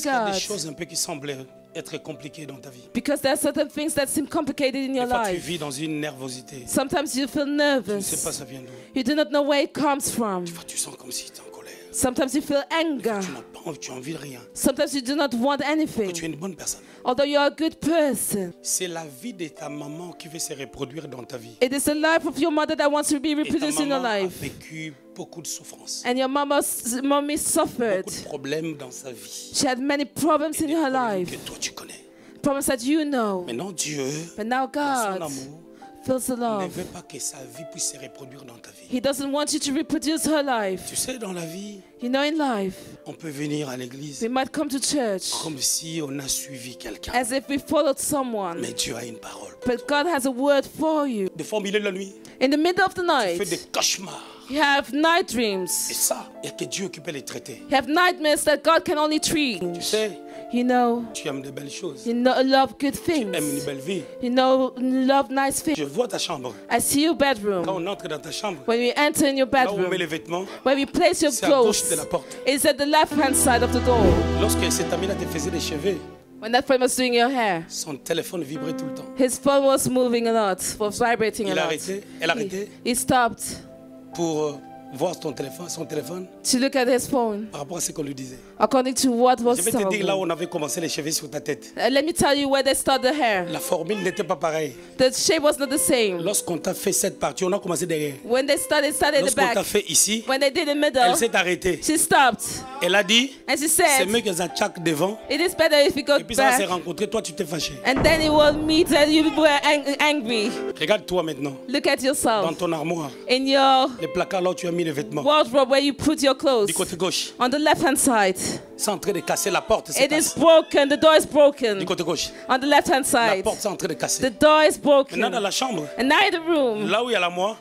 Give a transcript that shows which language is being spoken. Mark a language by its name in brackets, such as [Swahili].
[French] Il y a des choses un peu qui semblent être compliquées dans ta vie. [English] Because there are certain things that seem complicated in your life. [French] Tu vis dans une nervosité. [English] Sometimes you feel nervous. [French] Tu ne sais pas ça vient d'où. [English] You do not know where it comes from. [French] Tu vois, tu sens comme si tu es en colère. [English] Sometimes you feel anger. [French] Tu n'as pas envie, tu as envie de rien. [English] Sometimes you do not want anything. [French] Que tu es une bonne personne. [English] Although you are a good person. [French] C'est la vie de ta maman qui veut se reproduire dans ta vie. [English] It is the life of your mother that wants to be reproduced in your life. [French] Et ta maman a vécu beaucoup de souffrance. [English] And your mommy suffered. [French] Beaucoup de problèmes dans sa vie. [English] She had many problems [French] et [English] in her life. [French] Que toi tu connais. [English] Problems that you know. [French] Mais non Dieu. [English] But now God. [French] Dans son amour, [English] feels the love. [French] Ne veut pas que sa vie puisse se reproduire dans ta vie. [English] He doesn't want you to reproduce her life. [French] Tu sais, dans la vie, [English] you know, in life, [French] on peut venir à l'église, [English] we might come to church, [French] comme si on a suivi quelqu'un, [English] as if we followed someone. [French] Mais Dieu a une parole. [English] But God has a word for you. [French] Des fois, au milieu de la nuit, [English] in the middle of the night, [French] tu fais des cauchemars. [English] You have night dreams. [French] Et ça, y a que Dieu qui peut les traiter. [English] You have nightmares that God can only treat. [French] Tu sais, [English] you know, [French] tu aimes des belles choses. [English] You know, love good things. [French] Tu aimes une belle vie. [English] You know, love nice things. [French] Je vois ta chambre. [English] I see your bedroom. [French] Quand on entre dans ta chambre, [English] when we enter in your bedroom, [French] là où on met les vêtements, [English] where we place your [French] c'est [English] clothes, [French] à gauche de la porte. [English] It's at the left-hand side of the door. [French] Lorsque cette amie-là te faisait les cheveux, [English] when that friend was doing your hair, [French] son téléphone vibrait tout le temps. [English] His phone was moving a lot, was vibrating [French] il [English] a lot. [French] Il a arrêté. Elle a arrêté. [English] He stopped. [French] Pour voir ton téléphone, son téléphone. [English] To look at his phone. [French] Par rapport à ce qu'on lui disait. [English] According to what was said. [French] Je vais te dire là où on avait commencé les cheveux sur ta tête. [English] Let me tell you where they started the hair. [French] La formule n'était pas pareille. [English] The shape was not the same. [French] Lorsqu'on t'a fait cette partie, on a commencé derrière. [English] When they started [French] lorsqu'on [English] the back. [French] T'a fait ici. [English] When they did the middle. [French] Elle s'est arrêtée. [English] She stopped. [French] Elle a dit. [English] And she said. [French] C'est mieux qu'elle s'attaque devant. [English] It is better if you go back. [French] Et puis ça s'est rencontré, toi tu t'es fâché. [English] And then it was me that you were angry. [French] Regarde-toi maintenant. [English] Look at yourself. [French] Dans ton armoire. [English] In your. [French] Les placards là où tu as mis les vêtements. [English] Wardrobe where you put your clothes. [French] Du côté gauche. [English] On the left hand side. [French] C'est en train de casser la porte. [English] It is broken. The door is broken. [French] Du côté gauche. [English] On the left hand side. [French] La porte est en train de casser. [English] The door is broken. [French] Maintenant dans la chambre. [English] And now in the room. [French] Là où il y a la moi.